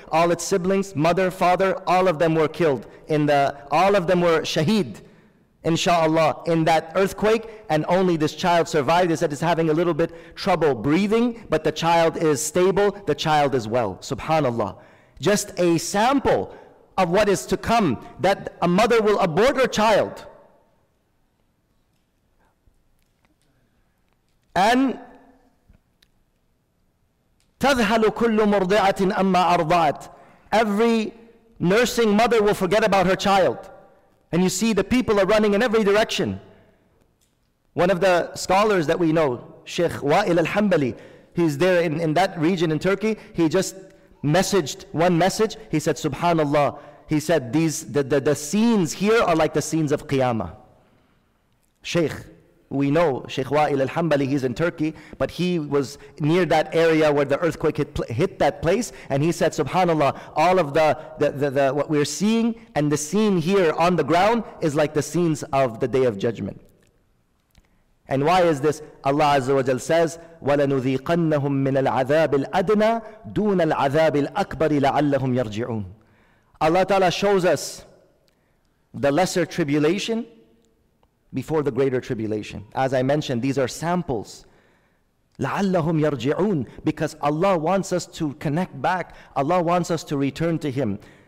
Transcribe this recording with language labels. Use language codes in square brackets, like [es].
[en] All its siblings, mother, father, all of them were killed. All of them were shaheed, inshallah, in that earthquake. And only this child survived. They said it's having a little bit trouble breathing, but the child is stable. The child is well. Subhanallah. Just a sample of what is to come, that a mother will abort her child. [ar] And تَذْهَلُ كُلُّ مُرْضِعَةٍ أَمَّا أَرْضَعَتْ. [en] Every nursing mother will forget about her child. And you see the people are running in every direction. One of the scholars that we know, Sheikh Wa'il al-Hanbali, he's there in that region in Turkey, he just messaged one message. He said, Subhanallah, he said, the scenes here are like the scenes of Qiyamah. Sheikh, we know Sheikh Wa'il al-Hanbali, he's in Turkey, but he was near that area where the earthquake hit that place, and he said, Subhanallah, all of the what we're seeing and the scene here on the ground is like the scenes of the Day of Judgment. And why is this? Allah Azza wa Jal says, [ar] وَلَنُذِيقَنَّهُم مِّنَ الْعَذَابِ الْأَدْنَى دُونَ الْعَذَابِ الْأَكْبَرِ لَعَلَّهُمْ يَرْجِعُونَ. [en] Allah Ta'ala shows us the lesser tribulation before the greater tribulation. As I mentioned, these are samples. [ar] لَعَلَّهُمْ يَرْجِعُونَ. [en] Because Allah wants us to connect back. Allah wants us to return to Him.